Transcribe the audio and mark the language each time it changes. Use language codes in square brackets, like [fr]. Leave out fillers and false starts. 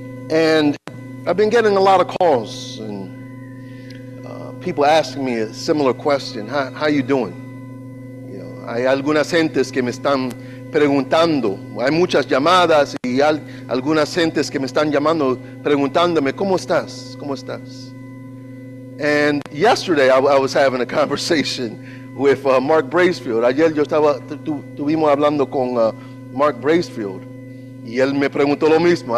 [en] And I've been getting a lot of calls and people asking me a similar question: How you doing? [es] Hay algunas gentes que me están preguntando, hay muchas llamadas y algunas gentes que me están llamando preguntándome, ¿cómo estás? ¿Cómo estás? [en] And yesterday I was having a conversation with Mark Bracefield. [es] Ayer yo estaba, tuvimos hablando con Mark Bracefield y él me preguntó lo mismo.